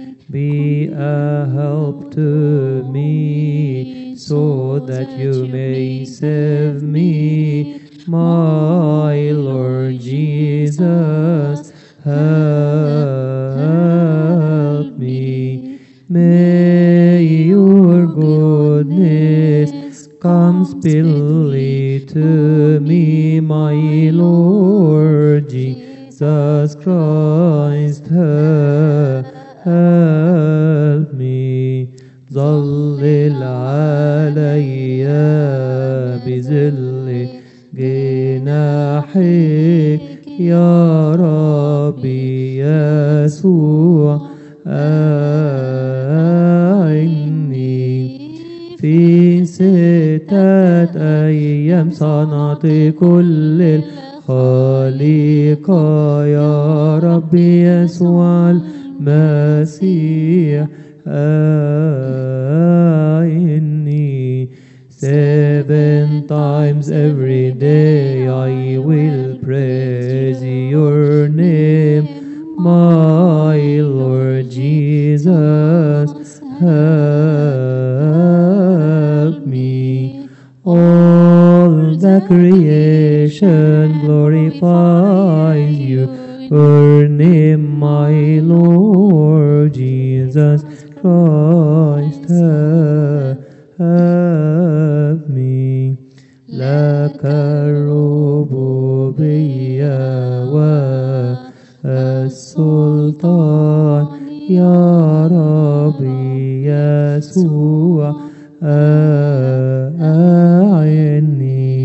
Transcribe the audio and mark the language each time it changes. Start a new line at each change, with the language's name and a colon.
English: be a help to me so that you may save me, my Lord Jesus, help me. May your goodness come speedily to me, my Lord Jesus Christ, help me.
Arabic: ظلل علي بظل جناحك يا ربي يسوع، أعني في ستة أيام صنعت كل الخليقة يا ربي يسوع المسيح، أعني.
English: Seven times every day I will praise your name, my Lord Jesus, help me. All the creation glorifies your name, my Lord Jesus Christ, help me.
Arabic: لك الربوبية والسلطان يا ربي يسوع، أعني.